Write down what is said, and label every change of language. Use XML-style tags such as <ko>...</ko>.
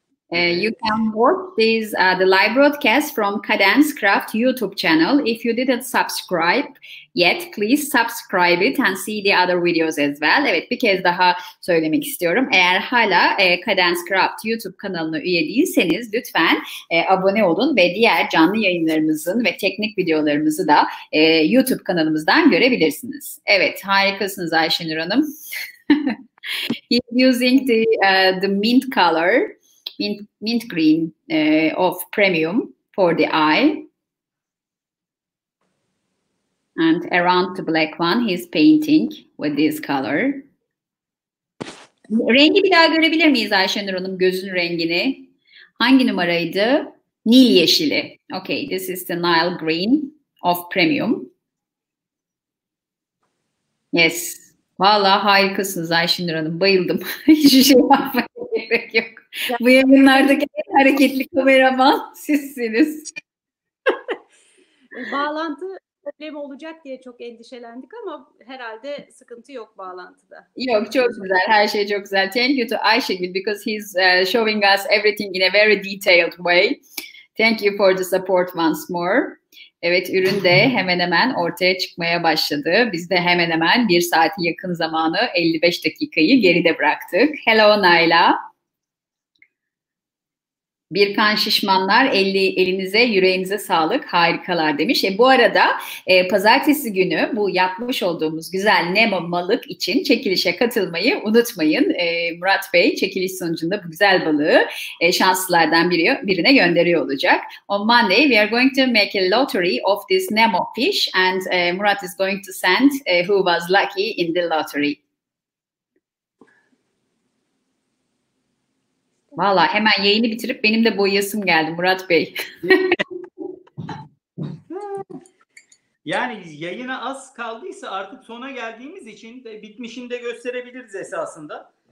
<en>You can watch this the live broadcast from Cadence Craft YouTube channel. If you didn't subscribe yet, please subscribe it and see the other videos as well.</en> <tr>Evet, bir kez daha söylemek istiyorum. Eğer hala Cadence Craft YouTube kanalına üye değilseniz lütfen abone olun ve diğer canlı yayınlarımızın ve teknik videolarımızı da YouTube kanalımızdan görebilirsiniz. Evet, harikasınız Ayşenur Hanım.</tr> <en>He's using the mint color. Mint green of premium for the eye, and around the black one he's painting with this color.</en> <tr>Rengi bir daha görebilir miyiz Ayşenur Hanım, gözün rengini? Hangi numaraydı? Nil yeşili.</tr> <en>Okay, this is the Nile green of premium.</en> <tr>Yes, vallahi harikasınız Ayşenur Hanım, bayıldım. Hiçbir şey yapmaya gerek yok. Bu yayınlardaki en Hareketli kameraman sizsiniz. Bağlantı problemi olacak diye çok endişelendik ama herhalde sıkıntı yok bağlantıda. Yok, çok güzel. Her şey çok güzel.</tr> <en>Thank you to Ayşegül because he's showing us everything in a very detailed way. Thank you for the support once more.</en> <tr>Evet, ürün de hemen hemen ortaya çıkmaya başladı. Biz de hemen hemen bir saatin yakın zamanı 55 dakikayı geride bıraktık.</tr> <en>Hello Nayla.</en> <tr>Bir kan şişmanlar, elinize, yüreğinize sağlık, harikalar demiş. Bu arada pazartesi günü bu yapmış olduğumuz güzel Nemo balık için çekilişe katılmayı unutmayın. Murat Bey çekiliş sonucunda bu güzel balığı şanslılardan birine gönderiyor olacak.</tr> <en>On Monday we are going to make a lottery of this Nemo fish and Murat is going to send who was lucky in the lottery.</en> <tr>Valla hemen yayını bitirip benim de boyayasım geldi Murat Bey. Yani yayına az kaldıysa artık sona geldiğimiz için de bitmişini de gösterebiliriz esasında.</tr>